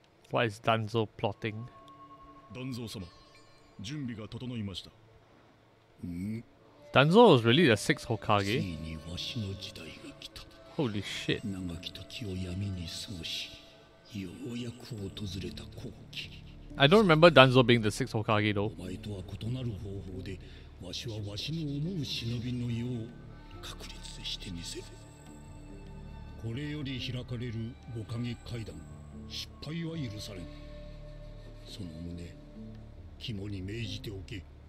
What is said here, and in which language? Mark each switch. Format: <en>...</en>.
<en>What is 団蔵 plotting?</en> <ja>団蔵様、準備が整いました。</ja> <en>団蔵 was really the sixth Hokage?</en> <ja>ついにわしの時代が来た。</ja> <en>Holy shit.</en> <ja>長き時を闇に過ごし、ようやく訪れた後期。</ja> <en>I don't remember Danzo being the sixth Hokage though.</en> <ja>お前とは異なる方法で、わしはわしの思う忍びの世を確立してみせる。これより開かれる五影会談、失敗は許されん。その旨、肝に銘じておけ。</ja>